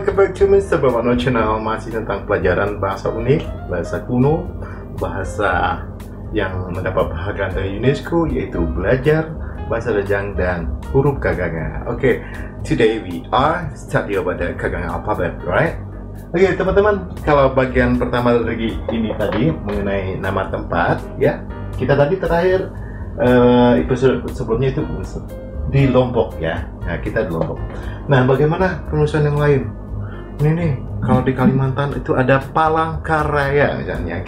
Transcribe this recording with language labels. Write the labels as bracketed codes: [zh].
[id] cuma sebuah channel masih tentang pelajaran bahasa unik, bahasa kuno, bahasa yang mendapat penghargaan dari UNESCO, yaitu belajar bahasa Rejang dan huruf Kaganga. [en] Okay, today we are study about the Kaganga alphabet, right? [id] Okay, teman-teman, kalau bagian pertama dari ini tadi mengenai nama tempat, ya, kita tadi terakhir episode sebelumnya itu di Lombok, ya. Nah, kita di Lombok. Nah, bagaimana penulisan yang lain? Ini nih, kalau di Kalimantan itu ada Palangkaraya, misalnya.